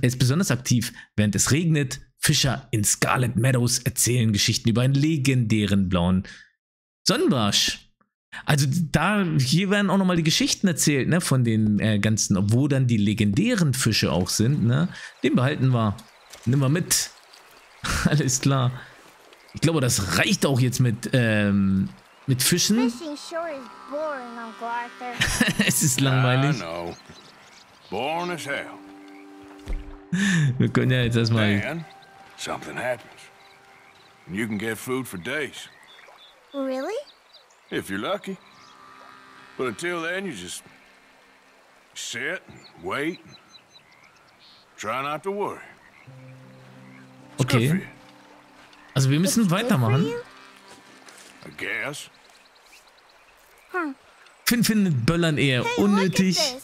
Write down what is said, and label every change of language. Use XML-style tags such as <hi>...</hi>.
<de>Er ist besonders aktiv, während es regnet. Fischer in Scarlet Meadows erzählen Geschichten über einen legendären blauen Sonnenbarsch. Also da, hier werden auch nochmal die Geschichten erzählt, ne, von den ganzen, wo dann die legendären Fische auch sind, ne. Den behalten wir. Nimm mal mit. Alles klar. Ich glaube, das reicht auch jetzt mit Fischen.</de> <en>Fishing sure is boring, Uncle Arthur.</en> <de>Es ist langweilig.</de> <en>I know. Boring as hell.</en> <de>Wir können ja jetzt erstmal.</de> <en>Dan, something happens. And you can get food for days. Really? If you're lucky. But until then, you just sit and wait and try not to worry. It's okay.</en> <de>Also wir müssen weitermachen.</de> <en>I guess. Huh.</en> <de>Finn findet Böllern eher unnötig.</de>